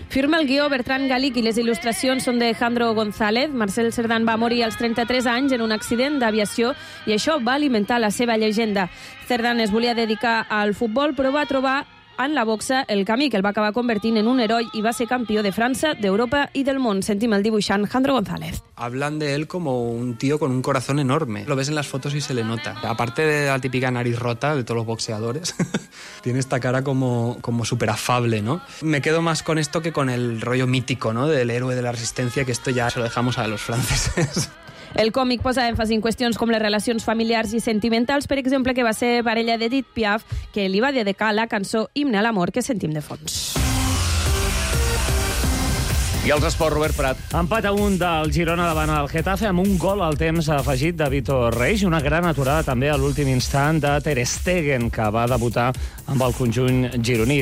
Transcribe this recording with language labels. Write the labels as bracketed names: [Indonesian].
[Catalan] Firma el guió Bertran Galic i les il·lustracions són de Alejandro González. Marcel Cerdán va morir als 33 anys en un accident d'aviació i això va alimentar la seva llegenda. Cerdán es volia dedicar al futbol, però va trobar en la boxa el camí que el va acabar convertint en un heroi i va ser campió de França, d'Europa i del món. Sentim el dibuixant Alejandro González. [Spanish] Hablan de él como un tío con un corazón enorme. Lo ves en las fotos y se le nota. Aparte de la típica nariz rota de todos los boxeadores, tiene esta cara como súper afable, ¿no? Me quedo más con esto que con el rollo mítico, ¿no?, del héroe de la resistencia, que esto ya se lo dejamos a los franceses. [Catalan] El còmic posa èmfasi en qüestions com les relacions familiars i sentimentals, per exemple, que va ser parella d'Edith Piaf, que li va dedicar la cançó Himne a l'amor, que sentim de fons. I els esports, Robert Prat. Empat a un del Girona davant del Getafe amb un gol al temps afegit de Vitor Reis i una gran aturada també a l'últim instant de Ter Stegen, que va debutar amb el conjunt gironí.